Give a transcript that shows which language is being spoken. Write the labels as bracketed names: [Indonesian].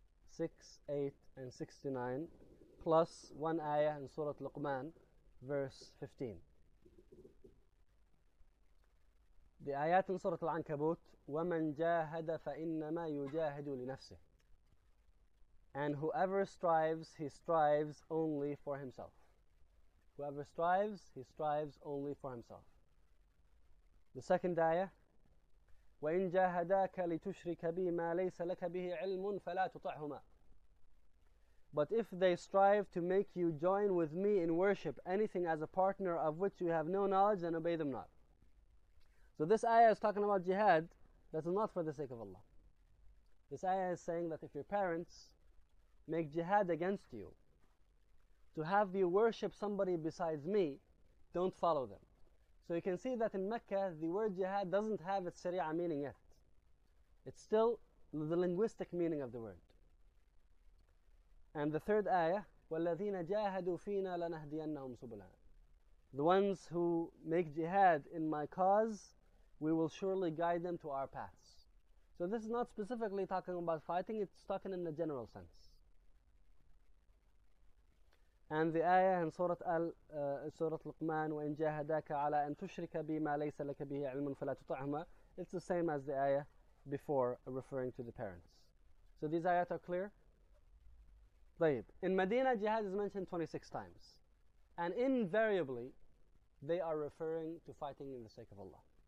[English] 6, 8, and 69. Plus one ayah in Surah Luqman, verse 15. The ayat in Surah Al-Ankabut, [Arabic] وَمَنْ جَاهَدَ فَإِنَّمَا يُجَاهَدُ لِنَفْسِهِ. [English] And whoever strives, he strives only for himself. Whoever strives, he strives only for himself. The second ayah, [Arabic] وَإِنْ جَاهَدَاكَ لِتُشْرِكَ بِي مَا لَيْسَ لَكَ بِهِ عِلْمٌ فَلَا تُطَعْهُمَا. [English] But if they strive to make you join with me in worship anything as a partner of which you have no knowledge, then obey them not. So this ayah is talking about jihad that is not for the sake of Allah. This ayah is saying that if your parents make jihad against you to have you worship somebody besides me, don't follow them. So you can see that in Mecca, the word jihad doesn't have its sharia meaning yet. It's still the linguistic meaning of the word. And the third ayah, [Arabic] وَالَّذِينَ جَاهَدُوا فِينَا لَنَهْدِيَنَّهُمْ سُبُلًا. [English] The ones who make jihad in my cause, we will surely guide them to our paths. So this is not specifically talking about fighting, it's talking in a general sense. And the ayah in Surah Luqman, [Arabic] وَإِنْ جَاهَدَاكَ عَلَىٰ أَنْ تُشْرِكَ بِي مَا لَيْسَ لَكَ بِهِ عِلْمٌ فَلَا تُطَعْهُمَا. [English] It's the same as the ayah before, referring to the parents. So these ayat are clear. In Medina, jihad is mentioned 26 times. And invariably, they are referring to fighting in the sake of Allah.